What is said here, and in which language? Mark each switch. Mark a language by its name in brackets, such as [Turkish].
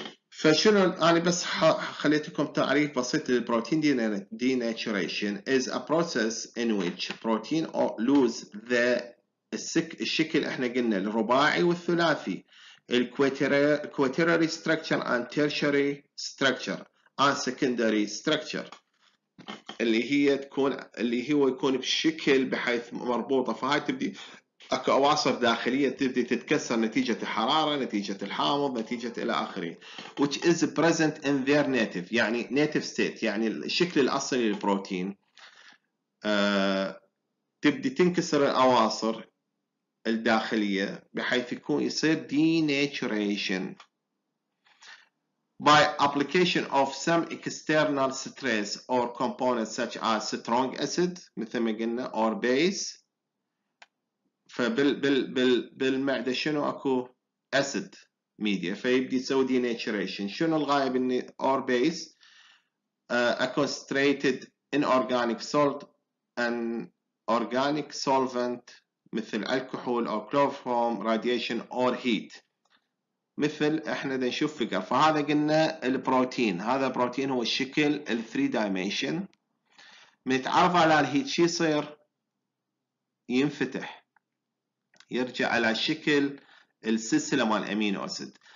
[Arabic] فشنو انا بس خليتكم تعريف بسيط للبروتين [English] denaturation is a process in which protein lose the [Arabic] الشكل احنا قلنا الرباعي والثلاثي الكواتيراري [English] structure and tertiary structure and secondary structure [Arabic] اللي هي تكون اللي هو يكون بشكل بحيث مربوطه، فهاي تبدي اكو اواصر داخليه تبدي تتكسر نتيجه الحراره، نتيجه الحامض، نتيجه الى اخره. [English] which is present in their native [Arabic] يعني [English] native state [Arabic] يعني الشكل الاصلي للبروتين. تبدي تنكسر الاواصر الداخليه بحيث يكون يصير [English] denaturation by application of some external stress or components such as strong acid [Arabic] مثل ما قلنا [English] or base. [Arabic] فبال بال بال بالمعدة شنو اكو [English] acid media [Arabic] فيبدي يسوي denaturation. شنو الغاية بالني [English] or base a concentrated inorganic salt and organic solvent [Arabic] مثل الكحول [English] or chloroform radiation or heat [Arabic] مثل احنا دا نشوف فيجر. فهذا قلنا البروتين، هذا بروتين هو الشكل ال 3 دايمنشن، متعرف على الهيت شي يصير ينفتح يرجع على شكل السلسله مال الامينو اسيد.